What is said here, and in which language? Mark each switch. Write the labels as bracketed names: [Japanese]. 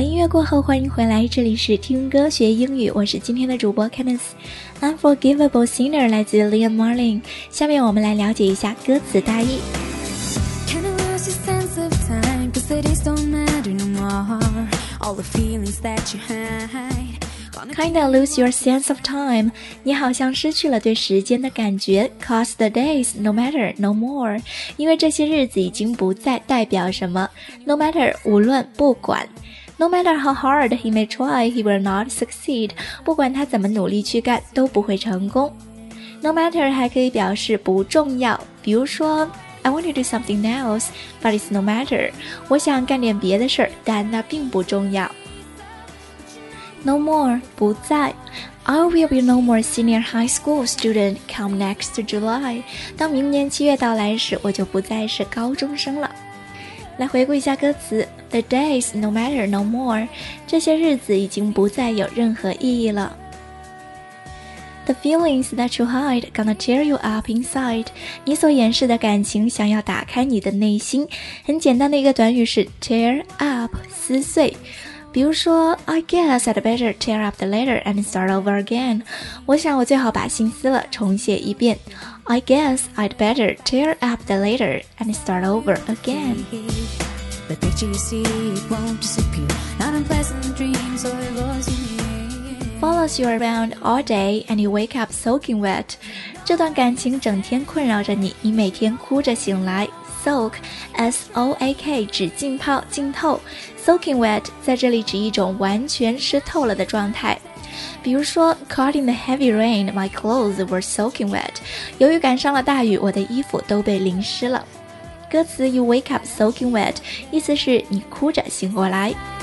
[Chinese] 过后，欢迎回来，这里是听歌学英语，我是今天的主播 Candice。 Unforgivable Sinner 来自 Liam Marlin， 下面我们来了解一下歌词大意。 [English] Kinda lose your sense of time. [Chinese] 你好像失去了对时间的感觉。 [English] Cause the days no matter no more. [Chinese] 因为这些日子已经不再代表什么。 [English] No matter [Chinese] 无论不管。 [English] No matter how hard he may try, he will not succeed. [Chinese] 不管他怎么努力去干都不会成功。 [English] No matter [Chinese] 还可以表示不重要，比如说 [English] I want to do something else, but it's no matter. [Chinese] 我想干点别的事儿，但那并不重要。 [English] No more, [Chinese] 不再。 [English] I will be no more senior high school student come next July. [Chinese] 当明年七月到来时，我就不再是高中生了。来回顾一下歌词 [English] ,The days no matter no more. [Chinese] 这些日子已经不再有任何意义了。 [English] The feelings that you hide gonna tear you up inside. [Chinese] 你所掩饰的感情想要打开你的内心。很简单的一个短语是 tear up, 撕碎。比如说 [English] I guess I'd better tear up the letter and start over again. [Chinese] 我想我最好把信撕了重写一遍。 [English] I guess I'd better tear up the letter and start over again. The picture you see won't disappear. Not unpleasant dreams or voices you need. Follows you around all day and you wake up soaking wet. [Chinese] 这段感情整天困扰着你，你每天哭着醒来。 Soak, S-O-A-K, 指浸泡、浸透。 Soaking wet 在这里指一种完全湿透了的状态。比如说 [English] Caught in the heavy rain, my clothes were soaking wet. [Chinese] 由于赶上了大雨，我的衣服都被淋湿了。歌词 [English] You wake up soaking wet [Chinese] 意思是你哭着醒过来。